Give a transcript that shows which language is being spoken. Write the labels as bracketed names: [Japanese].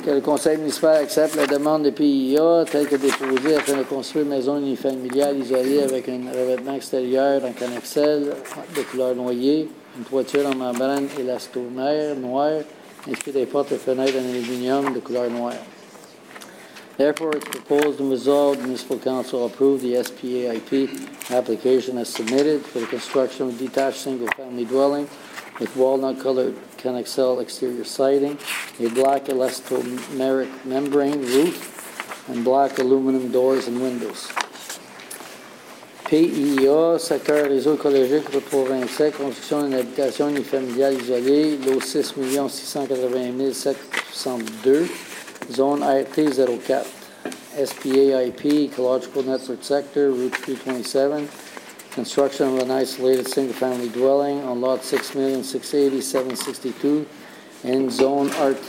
[French] Que le conseil municipal accepte la demande de PIA telle que déposée afin de construire une maison unifamiliale isolée avec un revêtement extérieur en canaxelle de couleur noyée, une toiture en membrane élastomère noire, ainsi que des portes et fenêtres en aluminium de couleur noire. [English] Therefore, it's proposed and resolved the Municipal Council approve the SPAIP application as submitted for the construction of a detached single-family dwelling with walnut-colored Canexel exterior siding, a black elastomeric membrane roof, and black aluminum doors and windows. [French] PIA, secteur réseau écologique, route 27, construction d'une habitation unifamiliale isolée, lot 6,680,762. [English] Zone RT-04, SPAIP, Ecological Network Sector, Route 327, construction of an isolated single-family dwelling on lot 6,680,762, and Zone RT-04.